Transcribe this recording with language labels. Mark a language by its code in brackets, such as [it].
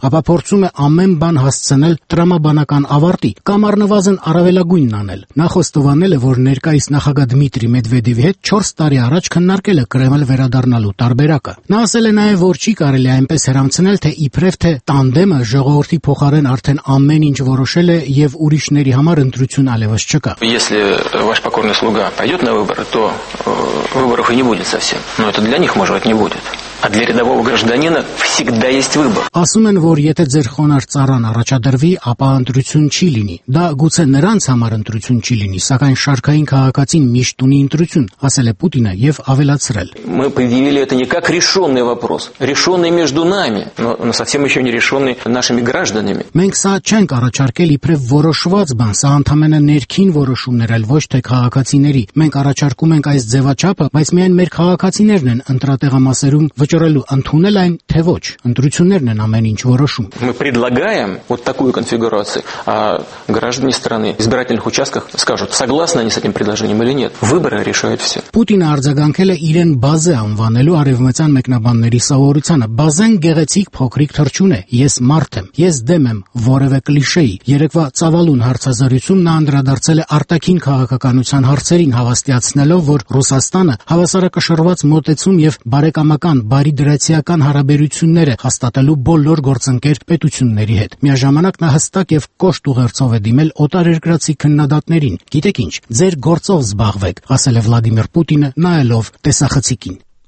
[hy] ապա փորձում է ամեն բան հասցնել տրամաբանական ավարտի կամ առնվազն առավելագույնն անել։ Նախոս տվանել է, որ ներկայիս նախագահ Դմիտրի Մեդվեդևի հետ 4 տարի առաջ քննարկել է Կրեմլ վերադառնալու տարբերակը։ Նա ասել է նաև, որ չի կարելի այնպես հրամցնել, թե իբրև թե տանդեմը ժողովրդի փոխարեն արդեն ամեն ինչ որոշել է եւ ուրիշների համար ընտրություն ալևս չկա։ [ru] Если ваш покорный слуга пойдёт на выборы, то выборов и не будет совсем. Но это для них, может, не будет. А для рядового гражданина всегда есть выбор. [hy] Ասում են, որ եթե ձեր խոնարհ ծառան առաջադրվի, ապա ընտրություն չի լինի։ Դա գուցե նրանց համար ընտրություն չի լինի, սակայն շարքային քաղաքացին միշտ ունի ընտրություն, ասել է Պուտինը եւ ավելացրել։ [ru] Мы предъявили это не как решённый вопрос, решённый между нами, но совсем ещё не решённый нашими гражданами. [hy] Մենք սա չենք առաջարկել իբրև որոշված բան, սա ընդամենը ներքին որոշումներ, այլ ոչ թե քաղաքացիների։ Մենք առաջարկում ենք այս ձևաչափը, բայց միայն մեր քաղաքացիներն են ընտրատեղամասերում վճռելու ընդունել այն, թե ոչ, ընտրություններն են ամեն ինչ որոշում։ [ru] Мы предлагаем вот такую конфигурацию, а граждане страны в избирательных участках скажут, согласны они с этим предложением или нет. Выборы решают всё. [hy] Պուտինը արձագանքել է իրեն բազե անվանելու արևմտյան մեկնաբանների սովորությանը։ Բազեն գեղեցիկ փոքրիկ թռչուն է, ես մարդ եմ, ես դեմ եմ որևէ կլիշեի։ Երեկվա ծավալուն հարցազրույցում նա անդրադարձել է արտաքին քաղաքականության հարցերին, հավաստիացնելով, որ Ռուսաստանը հավասարակշռված մոտեցում եւ բարեկամական բարի դրացիական հարաբերությունները հաստատելու բոլոր գործընկեր պետությունների հետ։ Միաժամանակ նա հստակ եւ կոշտ ուղերձով է դիմել օտարերկրացի քննադատներին։ Գիտեք ինչ, ձեր գործով զբաղվեք, ասել է Վլադիմիր Պուտինը նայելով տեսախցիկին։